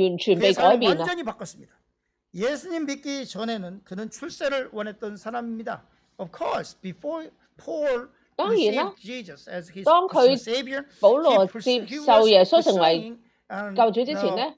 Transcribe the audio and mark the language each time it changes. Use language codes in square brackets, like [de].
[yue] 如果你接受耶稣，你嘅生命每一个层面、每一个范畴咧，都系一定要被改变嘅。我哋今日要讲嘅第一点就系朝着目标。保罗咧，系啊，佢嘅生命系完全被改变啊。 [ko] 예수님 믿기 전에는 그는 출세를 원했던 사람입니다. [en] Of course, before Paul received Jesus as his savior, [yue] 保罗接受耶稣成为救主之前咧，